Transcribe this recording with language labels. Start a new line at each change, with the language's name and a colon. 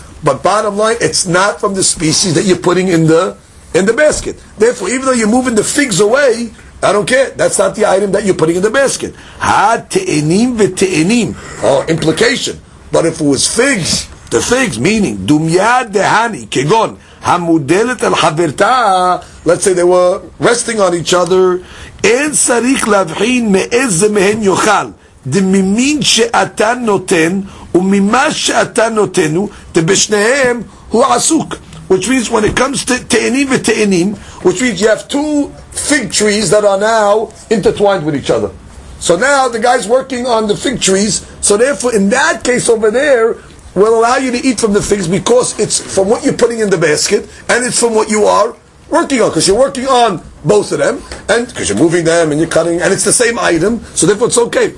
English: But bottom line, it's not from the species that you're putting in the basket. Therefore, even though you're moving the figs away, I don't care. That's not the item that you're putting in the basket.
Hebrew: Ha te'enim v'te'enim.
English: Oh, implication. But if it was figs, the figs, meaning,
Hebrew: dumya dehani, kegon, המודלת על חברתה,
English: let's say they were resting on each other,
Hebrew: אין צריך להבחין מאיזה מהן יאכל, דממין שאתה נותן, וממה שאתה נותנו, דבשניהם הוא עסוק.
English: Which means when it comes to te'enim ve'te'enim, which means you have two fig trees that are now intertwined with each other. So now the guy's working on the fig trees, so therefore in that case over there, will allow you to eat from the figs because it's from what you're putting in the basket, and it's from what you are working on, because you're working on both of them, and because you're moving them and you're cutting, and it's the same item, so therefore it's okay.